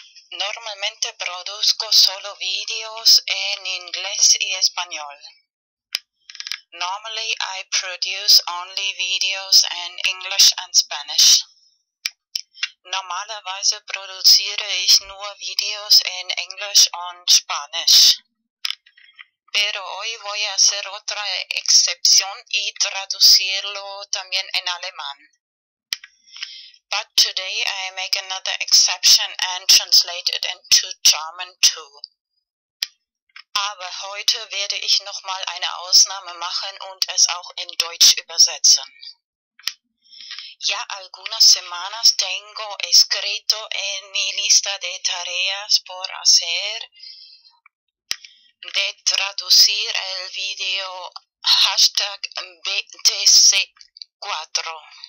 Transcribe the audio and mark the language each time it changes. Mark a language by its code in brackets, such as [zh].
[es] Normalmente produzco solo videos in inglés y español. [en] Normally I produce only videos in English and Spanish. [de] Normalerweise produziere ich nur videos in English und Spanisch. [es] Pero hoy voy a hacer otra excepción y traducirlo también en alemán. [en] But today I make another exception and translate it into German too. [de] Aber heute werde ich nochmal eine Ausnahme machen und es auch in Deutsch übersetzen. [es] Ya algunas semanas tengo escrito en mi lista de tareas por hacer de traducir el video hashtag BTC4.